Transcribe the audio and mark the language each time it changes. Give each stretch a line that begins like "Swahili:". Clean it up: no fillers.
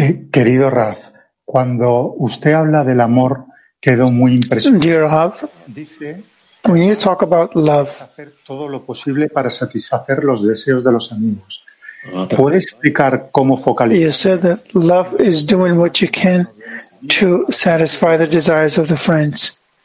Spanish: Querido Raf, cuando usted habla del amor, quedo muy impresionado.
English: Dear Rav, when you talk about love,
Spanish: hacer todo lo posible para satisfacer los deseos de los amigos. ¿Puede explicar cómo focalizar?
English: You said that love is doing what you can to satisfy the desires of the friends.